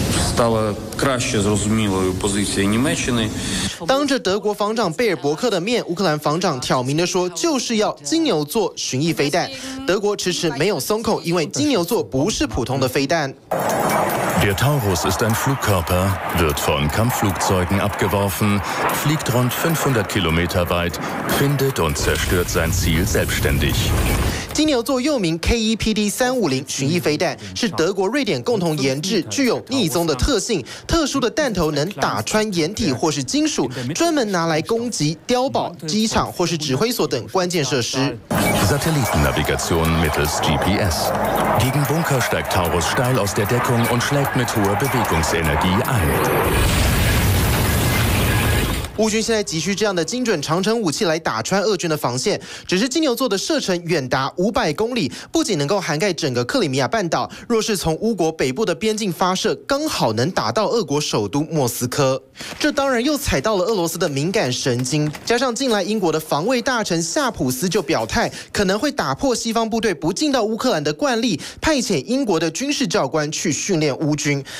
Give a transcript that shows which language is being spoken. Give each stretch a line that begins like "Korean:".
Ukrainian: Стало краще зрозумілою позиція Німеччини.
Chinese: 当着德国防长贝尔伯克的面，乌克兰防长挑明地说，就是要金牛座巡弋飞弹。德国迟迟没有松口，因为金牛座不是普通的飞弹。
German: Der Taurus ist ein Flugkörper, wird von Kampfflugzeugen abgeworfen, fliegt rund 500 Kilometer weit, findet und zerstört sein Ziel selbstständig.
Chinese: 金牛座又名 KEPD-350 巡弋飞弹，是德国、瑞典共同研制，具有逆踪的特性，特殊的弹头能打穿掩体或是金属，专门拿来攻击碉堡、机场或是指挥所等关键设施。
German: Satellitennavigation mittels GPS. Gegen Bunker steigt Taurus steil aus der Deckung und schlägt mit hoher Bewegungsenergie ein.
Chinese: 乌军现在急需这样的精准长程武器来打穿俄军的防线。只是金牛座的射程远达500公里，不仅能够涵盖整个克里米亚半岛，若是从乌国北部的边境发射，刚好能打到俄国首都莫斯科。这当然又踩到了俄罗斯的敏感神经，加上近来英国的防卫大臣夏普斯就表态，可能会打破西方部队不进到乌克兰的惯例，派遣英国的军事教官去训练乌军。